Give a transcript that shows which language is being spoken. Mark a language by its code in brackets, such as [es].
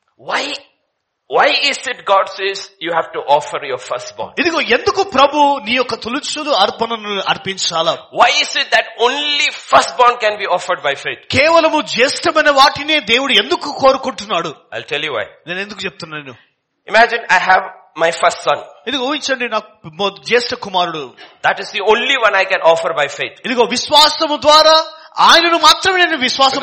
[en] Why Why is it God says you have to offer your firstborn? [te] ఇదిగో ఎందుకు ప్రభు నీ యొక్క తొలిచూలు అర్పణను అర్పించాలి? [en] Why is it that only firstborn can be offered by faith? [te] కేవలము జ్యేష్ఠమైన వాటినే దేవుడు ఎందుకు కోరుకుంటున్నాడు? [en] I'll tell you why. [te] నేను ఎందుకు చెప్తున్నాను? [en] Imagine I have my first son. [te] ఇదిగో ఊహించండి నా జ్యేష్ఠ కుమారుడు. [en] That is the only one I can offer by faith. [te] ఇదిగో విశ్వాసము ద్వారా ఆయనను మాత్రమే నేను విశ్వాసం